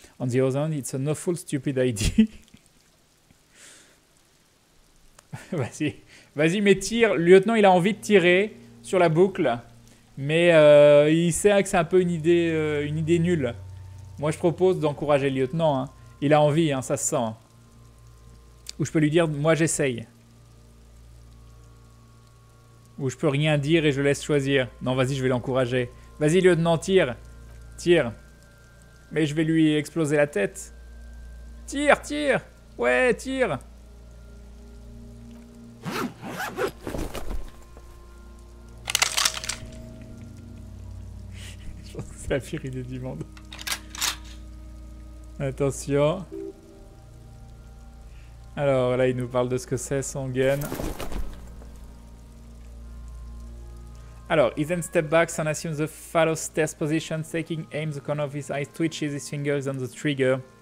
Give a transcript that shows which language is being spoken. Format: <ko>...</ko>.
<en>On the other hand, it's an awful stupid idea.</en> <fr>Vas-y. Vas-y, mais tire. Le lieutenant, il a envie de tirer sur la boucle. Mais il sait que c'est un peu une idée nulle. Moi, je propose d'encourager le lieutenant. Hein. Il a envie, hein, ça se sent. Ou je peux lui dire, moi, j'essaye. Ou je peux rien dire et je laisse choisir. Non, vas-y, je vais l'encourager. Vas-y, lieutenant, tire. Tire. Mais je vais lui exploser la tête. Tire, tire. Ouais, tire. C'est la pire idée du monde. Attention. Alors là, il nous parle de ce que c'est son gun.</fr> <en>Alors, he then steps back and assumes the phallus test position, taking aim the corner of his eye, twitches his fingers on the trigger.</en>